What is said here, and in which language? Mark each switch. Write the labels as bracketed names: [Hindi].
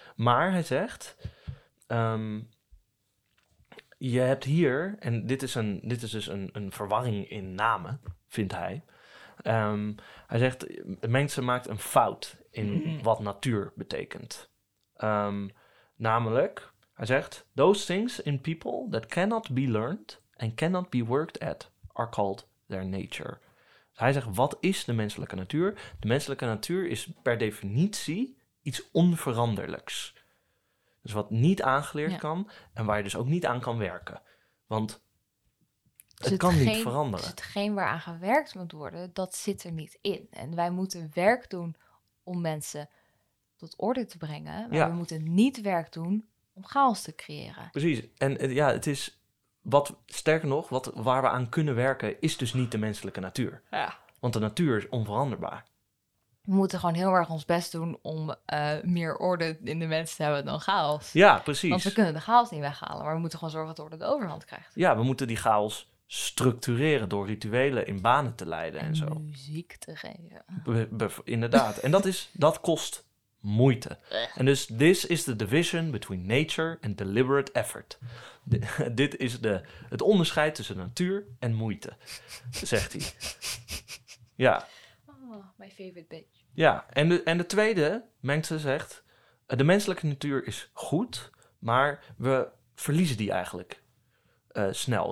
[Dutch] Maar hij zegt, je hebt hier, en dit is dus een verwarring in namen, vindt hij. Hij zegt, mensen maakt een fout in wat natuur betekent. Namelijk, hij zegt, [English] those things in people that cannot be learned and cannot be worked at are called their nature. [Dutch] Hij zegt, wat is de menselijke natuur? De menselijke natuur is per definitie iets onveranderlijks. Dus wat niet aangeleerd kan en waar je dus ook niet aan kan werken. Want het kan niet veranderen. Dus hetgeen waar aan gewerkt moet worden, dat zit er niet in. En wij moeten werk doen om mensen tot orde te brengen. Maar we moeten niet werk doen om chaos te creëren. Precies. En ja, het is, wat sterker nog, waar we aan kunnen werken, is dus niet de menselijke natuur. Ja. Want de natuur is onveranderbaar. We moeten gewoon heel erg ons best doen om meer orde in de mens te hebben dan chaos. Ja, precies. Want we kunnen de chaos niet weghalen, maar we moeten gewoon zorgen dat orde de overhand krijgt. Ja, we moeten die chaos structureren door rituelen in banen te leiden en zo. Muziek te geven. Inderdaad. En dat kost moeite. En dus, [English] this is the division between nature and deliberate effort. [Dutch] Dit is het onderscheid tussen natuur en moeite, zegt hij. Ja. [English] Oh, my favorite bitch. [Dutch] Ja, en de tweede, mensen zegt, de menselijke natuur is goed, maar we verliezen die eigenlijk snel.